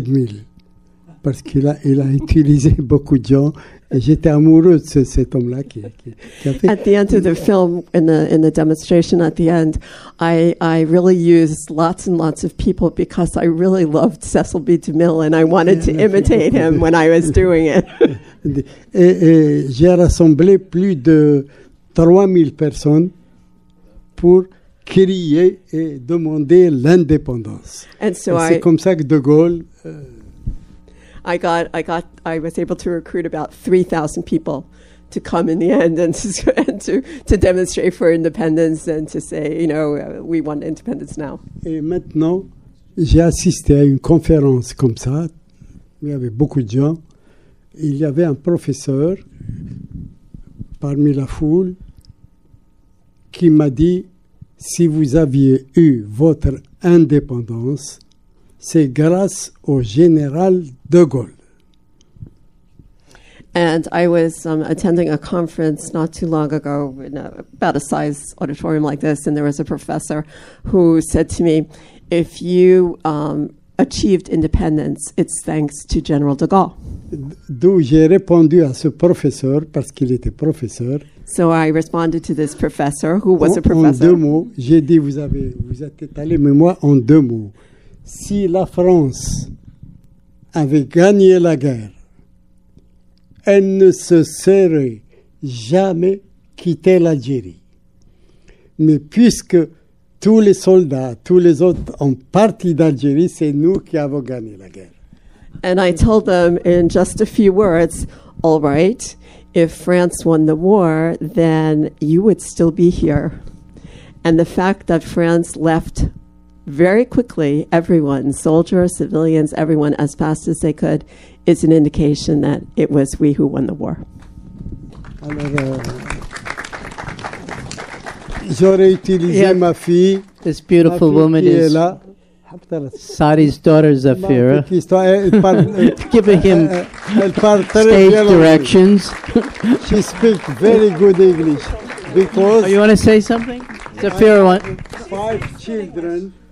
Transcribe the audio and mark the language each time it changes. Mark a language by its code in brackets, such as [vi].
[fr] DeMille parce qu'il a utilisé beaucoup de gens et j'étais amoureux de cet homme-là qui a fait. [en] At the end of the film, in the demonstration at the end, I really used lots and lots of people because I really loved Cecil B. DeMille and I wanted to imitate him when I was doing it. [fr] et j'ai rassemblé plus de 3000 personnes pour crier et demander l'indépendance. [en] And so [fr] c'est comme ça que De Gaulle. [en] I was able to recruit about 3,000 people to come in the end and to demonstrate for independence and to say, you know, we want independence now. [fr] Et maintenant, j'ai assisté à une conférence comme ça. Il y avait beaucoup de gens. Il y avait un professeur parmi la foule qui m'a dit, si vous aviez eu votre indépendance, c'est grâce au général De Gaulle. [en] And I was attending a conference not too long ago in about a size auditorium like this, and there was a professor who said to me, if you achieved independence, it's thanks to General De Gaulle. [fr] D'où j'ai répondu à ce professeur, parce qu'il était professeur. [en] So I responded to this professor, who was a professor. [fr] En deux mots, j'ai dit, vous êtes étalé, mais moi, en deux mots. Si la France avait gagné la guerre, elle ne se serait jamais quitté l'Algérie. Mais puisque tous les soldats, tous les autres ont parti d'Algérie, c'est nous qui avons gagné la guerre. [en] And I told them in just a few words, all right, if France won the war, then you would still be here. And the fact that France left very quickly, everyone, soldiers, civilians, everyone, as fast as they could, is an indication that it was we who won the war. [fr] J'aurais utilisé ma fille. [en] This beautiful woman is Saadi's daughter, Zafira. Giving him stage directions. She speaks very good English. Because you want to say something? Zafira, one. Five children.